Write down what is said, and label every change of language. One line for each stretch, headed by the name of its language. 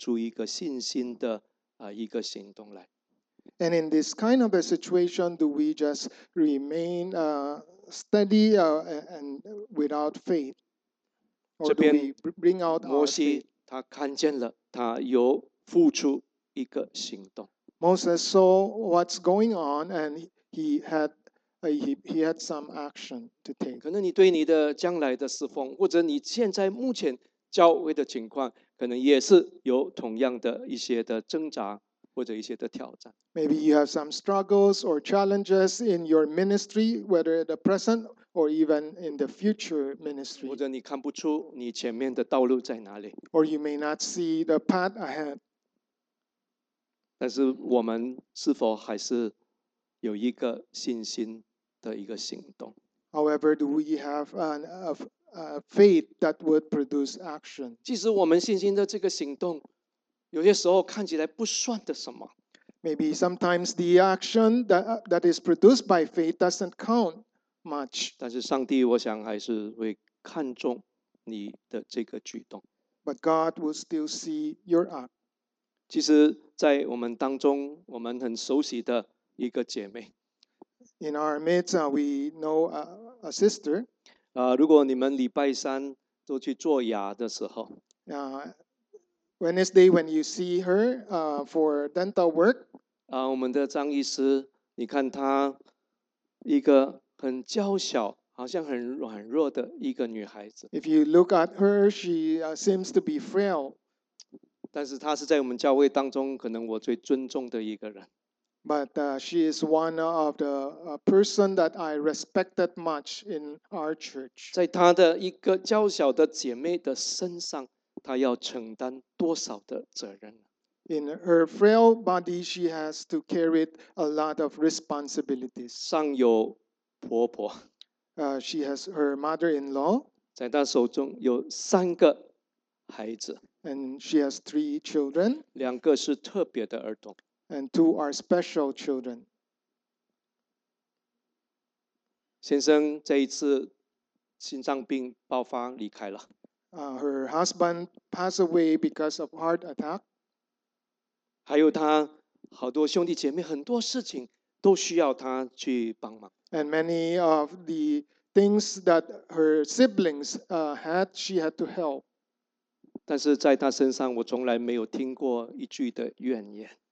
Chinese: 在这样的情况下，你只是就坐着不动吗？还是说我们可以像这些上帝卑微所使用的人，他们还是有带出一个信心的一个行动来
English: ？And in this kind of a situation, do we just remain steady and without faith, or do we bring out our faith?
Chinese: 摩西他看见了，他有付出一个行动。
English: Moses saw what's going on, and he had some action to take.
Chinese: 可能你对你的将来的侍奉，或者你现在目前教会的情况，可能也是有同样的一些的挣扎，或者一些的挑战。
English: Maybe you have some struggles or challenges in your ministry, whether the present or even in the future ministry.
Chinese: 或者你看不出你前面的道路在哪里。
English: Or you may not see the path ahead.
Chinese: 但是我们是否还是有一个信心的一个行动？
English: However, do we have a faith that would produce action?
Chinese: 即使我们信心的这个行动，有些时候看起来不算的什么。
English: Maybe sometimes the action that is produced by faith doesn't count much.
Chinese: 但是上帝，我想还是会看重你的这个举动。
English: But God will still see your act.
Chinese: 其实，在我们当中，我们很熟悉的一个姐妹。
English: In our midst, we know a sister.
Chinese: 如果你们礼拜三都去做牙的时候。
English: Wednesday, when you see her for dental work,
Chinese: 我们的张医师，你看她一个很娇小，好像很软弱的一个女孩子。
English: If you look at her, she seems to be frail.
Chinese: 但是她是在我们教会当中可能我最尊重的一个人。
English: But she is one of the person that I respected much in our church.
Chinese: 在她的一个娇小的姐妹的身上。他要承担多少的责任？
English: In her frail body, she has to carry a lot of responsibilities.
Chinese: 上有婆婆，
English: she has her mother-in-law.
Chinese: 在她手中有三个孩子，
English: and she has three children.
Chinese: 两个是特别的儿童，
English: and two are special children.
Chinese: 先生这一次心脏病爆发离开了。
English: Her husband passed away because of heart attack.
Chinese: 还有他好多兄弟姐妹，很多事情都需要他去帮忙。
English: And many of the things that her siblings had, she had to help.
Chinese: 但是在他身上，我从来没有听过一句的怨言。